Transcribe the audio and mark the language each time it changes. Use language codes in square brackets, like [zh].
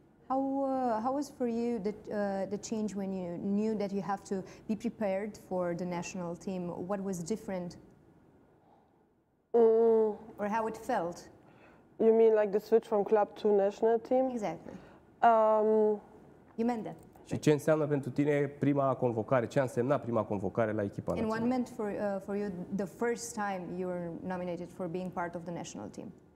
[en] How was for you the change when you knew that you have to be prepared for the national team? What was different? Or how it felt? You mean like the switch from club to national team? Exactly. You meant that. [ro] Și ce înseamnă pentru tine prima convocare? Ce a însemnat prima convocare la echipa națională? [en] And what meant for you the first time you were nominated for being part of the national team?